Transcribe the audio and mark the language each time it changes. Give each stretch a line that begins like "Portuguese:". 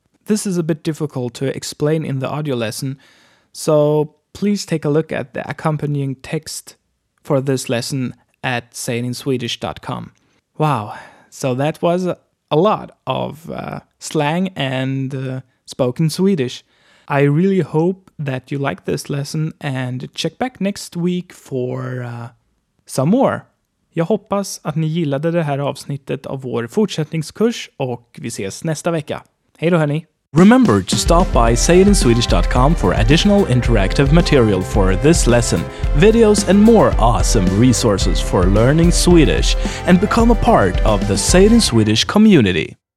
English: This is a bit difficult to explain in the audio lesson, so please take a look at the accompanying text for this lesson at sayininswedish.com. Wow, so that was a lot of slang and spoken Swedish. I really hope that you like this lesson and check back next week for some more.
Swedish: Jag hoppas att ni gillade det här avsnittet av vår fortsättningskurs och vi ses nästa vecka. Hej då hörni!
English: Remember to stop by sayitinswedish.com for additional interactive material for this lesson, videos and more awesome resources for learning Swedish, and become a part of the Say It in Swedish community.